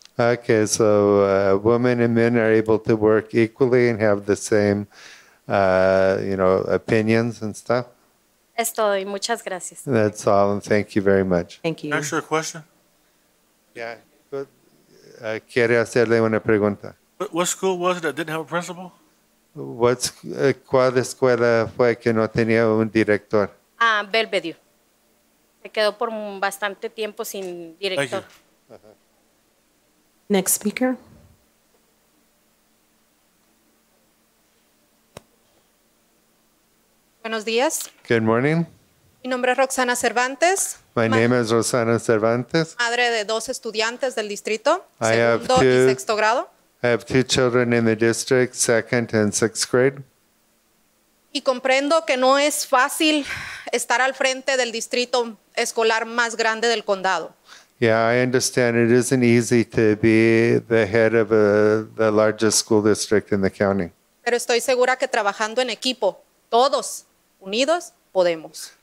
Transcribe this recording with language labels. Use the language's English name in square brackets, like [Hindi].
[English] Okay, so women and men are able to work equally and have the same opinions and stuff. [Spanish] Es todo y muchas gracias. [English] That's all, and thank you very much. Thank you. Can I ask you a question? [Spanish] Yeah. Quiere hacerle una pregunta. [English] What school was it that didn't have a principal? [Spanish] ¿Cuál escuela fue que no tenía un director? Ah, Belvedere. Se quedó por bastante tiempo sin director. [English] Thank you. Next speaker. [Spanish] Buenos días. [English] Good morning. [Spanish] Mi nombre es Roxana Cervantes. [English] My name is Roxana Cervantes. [Spanish] Madre de dos estudiantes del distrito, segundo y sexto grado. [English] I have two children in the district, second and sixth grade. [Spanish] Y comprendo que no es fácil estar al frente del distrito escolar más grande del condado. [English] Yeah, I understand it isn't easy to be the head of the largest school district in the county. [Spanish] Pero estoy segura que trabajando en equipo, todos unidos, podemos.